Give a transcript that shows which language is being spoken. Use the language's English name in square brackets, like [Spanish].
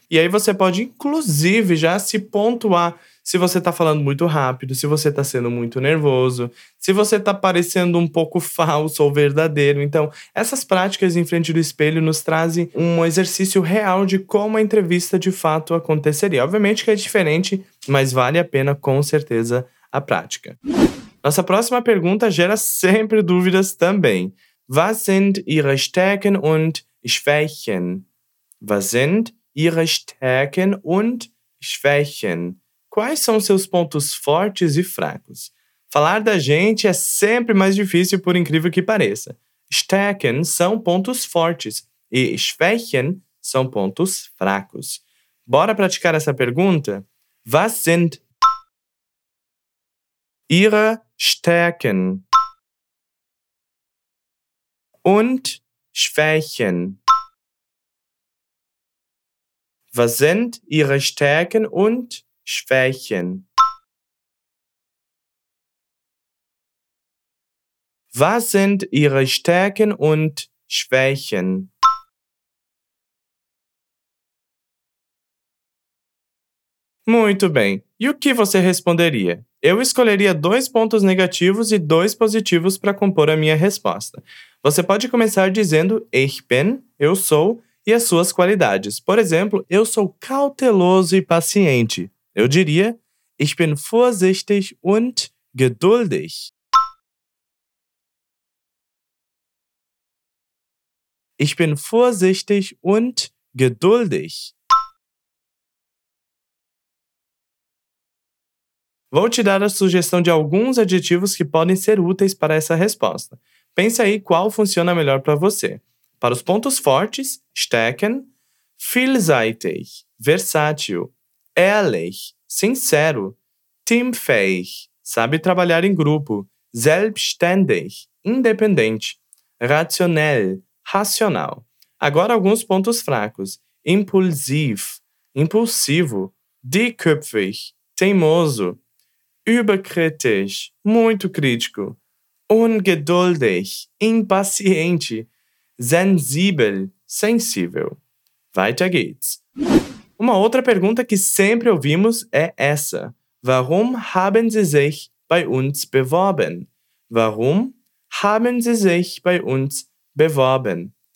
[Portuguese] E aí você pode, inclusive, já se pontuar se você está falando muito rápido, se você está sendo muito nervoso, se você está parecendo um pouco falso ou verdadeiro. Então, essas práticas em frente do espelho nos trazem um exercício real de como a entrevista de fato aconteceria. Obviamente que é diferente, mas vale a pena com certeza a prática. Nossa próxima pergunta gera sempre dúvidas também. [German] Was sind Ihre Stärken und Schwächen? Was sind Ihre Stärken und Schwächen? [Portuguese] Quais são seus pontos fortes e fracos? Falar da gente é sempre mais difícil, por incrível que pareça. [German] Stärken [Portuguese] são pontos fortes e [German] Schwächen [Portuguese] são pontos fracos. Bora praticar essa pergunta? [German] Was sind Ihre Stärken und Schwächen? Was sind Ihre Stärken und Schwächen? Was sind Ihre Stärken und Schwächen? [Portuguese] Muito bem. E o que você responderia? Eu escolheria dois pontos negativos e dois positivos para compor a minha resposta. Você pode começar dizendo [German] ich bin, [Portuguese] eu sou, e as suas qualidades. Por exemplo, eu sou cauteloso e paciente. Eu diria [German] ich bin vorsichtig und geduldig. Ich bin vorsichtig und geduldig. [Portuguese] Vou te dar a sugestão de alguns adjetivos que podem ser úteis para essa resposta. Pense aí qual funciona melhor para você. Para os pontos fortes, stärken, [German] vielseitig, [Portuguese] versátil, [German] ehrlich, [Portuguese] sincero, [German] teamfähig, [Portuguese] sabe trabalhar em grupo, [German] selbstständig, [Portuguese] independente, [German] rationell, [Portuguese] racional. Agora alguns pontos fracos, [German] impulsiv, [Portuguese] impulsivo, [German] dickköpfig, [Portuguese] teimoso, [German] überkritisch, [Portuguese] muito crítico, [German] ungeduldig, [Portuguese] impaciente, sensível, sensível. [German] Weiter geht's. [Portuguese] Uma outra pergunta que sempre ouvimos é essa. [German] Warum haben Sie sich bei uns beworben? Warum haben Sie sich bei uns beworben?